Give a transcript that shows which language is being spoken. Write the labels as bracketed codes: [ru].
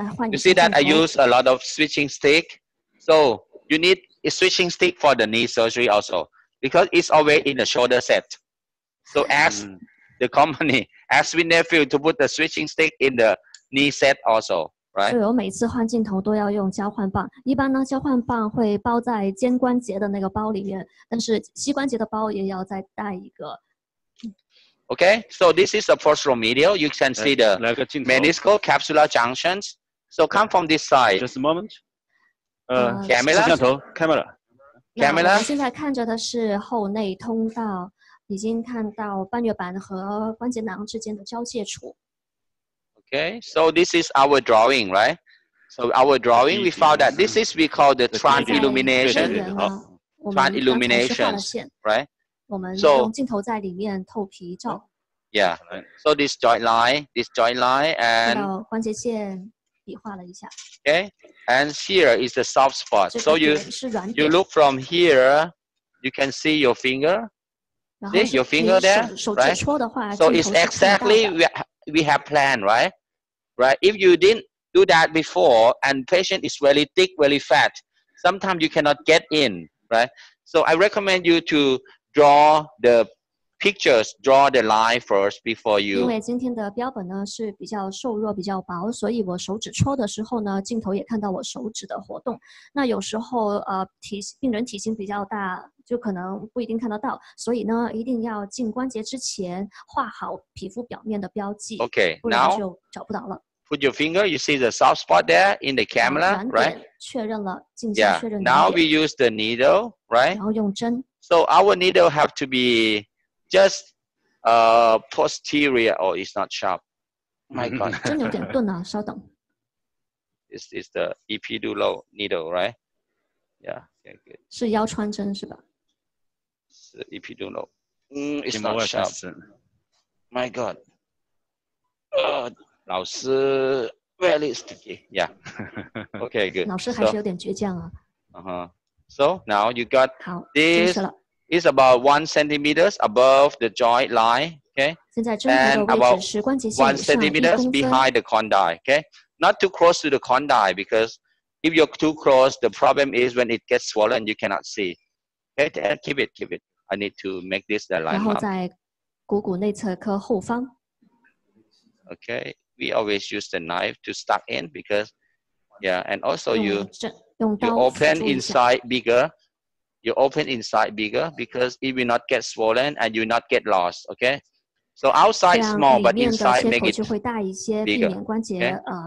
[en] You see that I use a lot of switching stick. So you need a switching stick for the knee surgery also, because it's always in the shoulder set. So ask the company, ask my nephew to put the switching stick in the knee set also. Right. [zh] 所以我每次换镜头都要用交换棒，一般呢交换棒会包在肩关节的那个包里面，但是膝关节的包也要再带一个。 [en] Okay, so this is the posterior medial. You can see the meniscal capsular junctions. So come from this side. Just a moment. [zh] 摄像头开麦了，开麦了。现在看着的是后内通道，已经看到半月板和关节囊之间的交界处。 [en] Okay, so this is our drawing, right? So our drawing, we found that this is we call the trans illumination. Trans illumination, right? [zh] So, 我们用镜头在里面透皮照。 [en] Yeah, so this joint line, and [zh] 看到关节线比划了一下。 [en] Okay, and here is the soft spot. So you look from here, you can see your finger. See your finger there, right? [zh] 手指戳的话， [en] so it's exactly we have planned, right? Right. If you didn't do that before, and patient is really thick, really fat, sometimes you cannot get in, right? So I recommend you to draw the pictures, draw the line first before you. [zh] 因为今天的标本呢是比较瘦弱、比较薄，所以我手指戳的时候呢，镜头也看到我手指的活动。那有时候病人体型比较大，就可能不一定看得到，所以呢，一定要进关节之前画好皮肤表面的标记。 [en] Okay, [zh] 不然就找不到了。 [en] Put your finger, you see the soft spot there in the camera, right? [zh] 确认了，镜像 [en] Yeah, now we use the needle, right? [zh] 然后用针。 [en] So our needle have to be just posterior, or it's not sharp. My God. [zh] 针有点钝啊，稍等。 [en] This is the epidural needle, right? Yeah, okay, good. [zh] 是腰穿针是吧？ [en] 是 epidural. It's not sharp. My God. 老师 ，very sticky, yeah. Okay, good. [zh] 老师还是有点倔强啊。 [en] So now you got this. It's about 1 centimeter above the joint line, okay? [zh] 现在针的位置是关节线以上 [en] 1 centimeter behind the condyle, okay? Not too close to the condyle because if you're too close, the problem is when it gets swollen, you cannot see. Okay, then keep it. I need to make this the line. [zh] 然后在股骨内侧髁后方。 [en] Okay, we always use the knife to stuck in because, yeah, and also you open inside bigger because it will not get swollen and you not get lost, okay? So outside small, but inside make it bigger, okay?